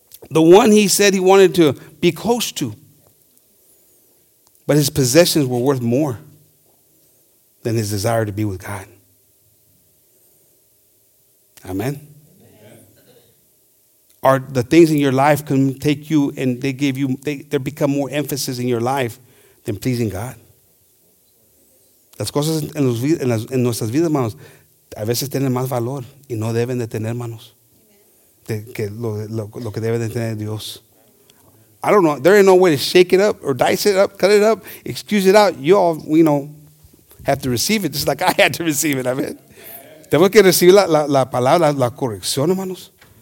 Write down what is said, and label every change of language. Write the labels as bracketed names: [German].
[English] The one he said he wanted to be close to. But his possessions were worth more than his desire to be with God. Amen. Are the things in your life can take you and they give you, they become more emphasis in your life than pleasing God. [Spanish] Las cosas en nuestras vidas, hermanos, a veces tienen más valor y no deben de tener, hermanos. lo que debe de tener Dios. [English] I don't know. There ain't no way to shake it up or dice it up, cut it up, excuse it out. You all, you know, have to receive it just like I had to receive it. Amen. [Spanish] Tengo que recibir la palabra, la corrección, hermanos.